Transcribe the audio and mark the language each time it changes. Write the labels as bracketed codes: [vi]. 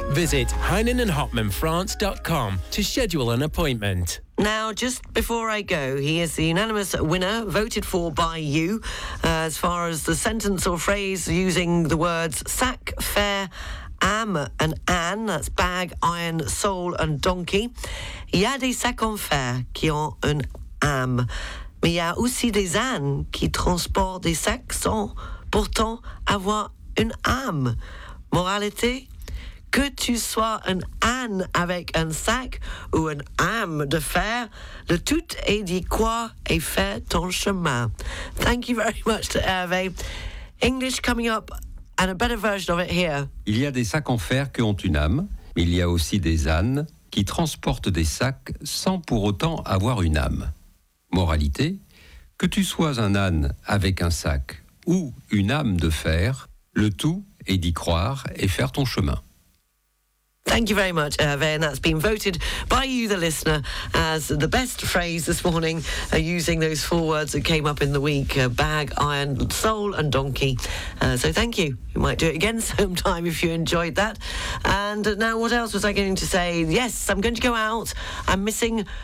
[en] Visit heinenandhopmanfrance.com to schedule an appointment. Now, just before I go, he is the unanimous winner, voted for by you, as far as the sentence or phrase using the words sack, fair, am and an, that's bag, iron, soul and donkey. [fr] Il y a des sacs en fer qui ont un am. Mais il y a aussi des ânes qui transportent des sacs sans pourtant avoir une âme. Moralité, que tu sois un âne avec un sac ou un âme de fer, le tout est d'y croire et faire ton chemin. [en] Thank you very much to Hervé. English coming up. And a better version of it here. [fr] Il y a des sacs en fer qui ont une âme, mais il y a aussi des ânes qui transportent des sacs sans pour autant avoir une âme. Moralité, que tu sois un âne avec un sac ou une âme de fer, le tout est d'y croire et faire ton chemin. [en] Thank you very much, Hervé, and that's been voted by you, the listener, as the best phrase this morning, using those four words that came up in the week, bag, iron, soul and donkey. So thank you. You might do it again sometime if you enjoyed that. And now what else was I going to say? Yes, I'm going to go out. I'm missing